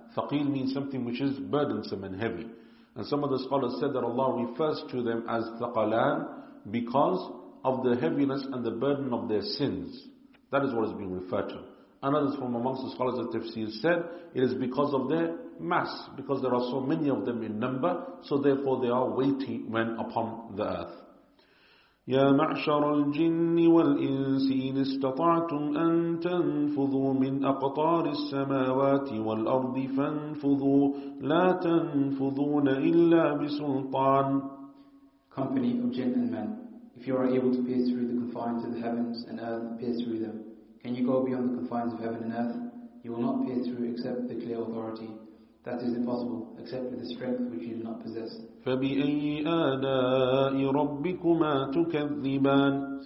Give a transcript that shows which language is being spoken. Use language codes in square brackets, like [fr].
[en] Thaqil means something which is burdensome and heavy. And some of the scholars said that Allah refers to them as thaqalan because of the heaviness and the burden of their sins. That is what is being referred to. And others from amongst the scholars of tafsir said it is because of their mass, because there are so many of them in number, so therefore they are weighty when upon the earth. [ar] يا معشر الجن والإنس إن استطعتم أن تنفذوا من أقطار السماوات والأرض فانفذوا لا تنفذون إلا بسلطان. [en] Company of jinn and men, if you are able to pierce through the confines of the heavens and earth, pierce through them. Can you go beyond the confines of heaven and earth? You will not pierce through except the clear authority. That is impossible, except with the strength which you do not possess. [ar] فَبِأَيِّ آلَاءِ رَبِّكُمَا تُكَذِّبَانِ.